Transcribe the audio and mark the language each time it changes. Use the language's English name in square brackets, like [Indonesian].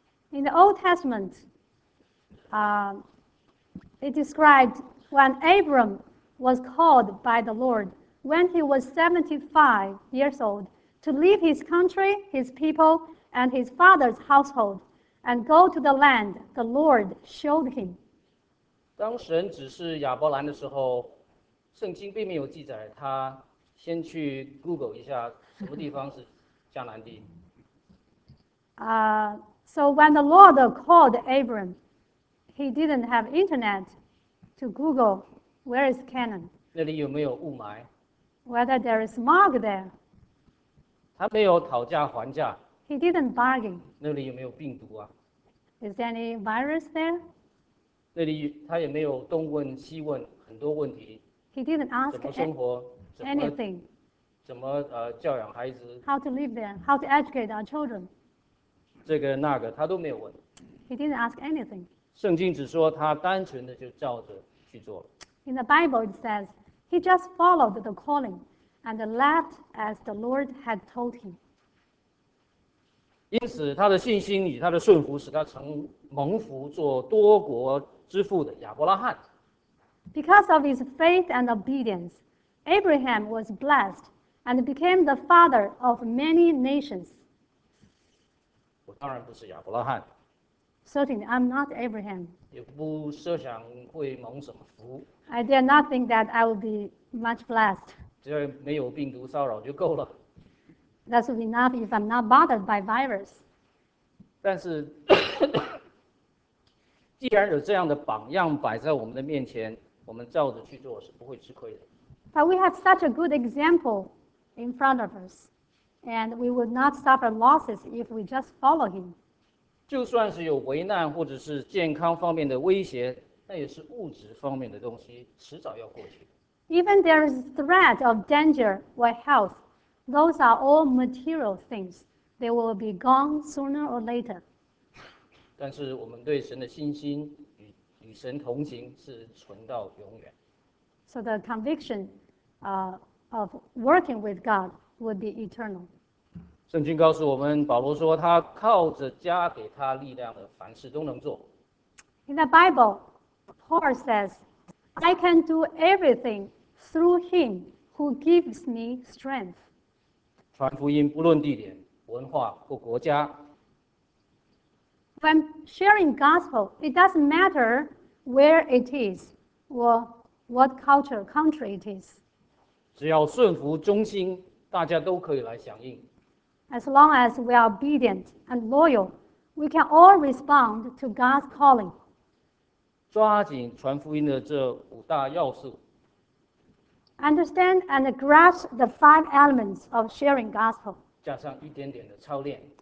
[English] In the Old Testament, it described when Abram was called by the Lord when he was 75 years old to leave his country, his people, and his father's household and go to the land the Lord showed him. [Chinese] 当神指示亚伯兰的时候，圣经并没有记载他先去 Google 一下什么地方是迦南地。 [English] So when the Lord called Abram, he didn't have internet to Google where is Canaan. [Chinese] 那里有没有雾霾？ [English] Whether there is smog there. [Chinese] 他没有讨价还价。 [English] He didn't bargain. [Chinese] 那里有没有病毒啊？ [English] Is there any virus there? [Chinese] 那里他也没有东问西问很多问题。 [English] He didn't ask [Chinese] 怎么生活？ [English] Anything. [Chinese] 怎么教养孩子？ [English] How to live there? How to educate our children? [Chinese] 这个那个他都没有问。 [English] He didn't ask anything. [Chinese] 圣经只说他单纯的就照着去做了。 [English] In the Bible, it says he just followed the calling and left as the Lord had told him. [Chinese] 因此，他的信心与他的顺服使他成蒙福做多国之父的亚伯拉罕。 [English] Because of his faith and obedience, Abraham was blessed and became the father of many nations. [Chinese] 我当然不是亚伯拉罕。 [English] Certainly, I'm not Abraham. [Chinese] 也不设想会蒙什么福。 [English] I dare not think that I will be much blessed. [Chinese] 只要没有病毒骚扰就够了。 [English] That's enough if I'm not bothered by virus. [Chinese] 但是，既然有这样的榜样摆在我们的面前，我们照着去做是不会吃亏的。 [English] But we have such a good example in front of us, and we would not suffer losses if we just follow him. [Chinese] 就算是有危难或者是健康方面的威胁，那也是物质方面的东西，迟早要过去。 [English] Even there is threat of danger or health, those are all material things. They will be gone sooner or later. [Chinese] 但是我们对神的信心与神同行是存到永远。 [English] So the conviction, of working with God would be eternal. [Chinese] 圣经告诉我们，保罗说他靠着加给他力量的凡事都能做。 [English] In the Bible, Paul says, "I can do everything through Him who gives me strength." [Chinese] 传福音不论地点、文化或国家。 [English] When sharing gospel, it doesn't matter where it is or what culture, country it is. [Chinese] 只要顺服、忠心，大家都可以来响应。 [English] As long as we are obedient and loyal, we can all respond to God's calling. [Chinese] 抓紧传福音的这五大要素。 [English] Understand and grasp the five elements of sharing gospel. [Chinese] 加上一点点的操练。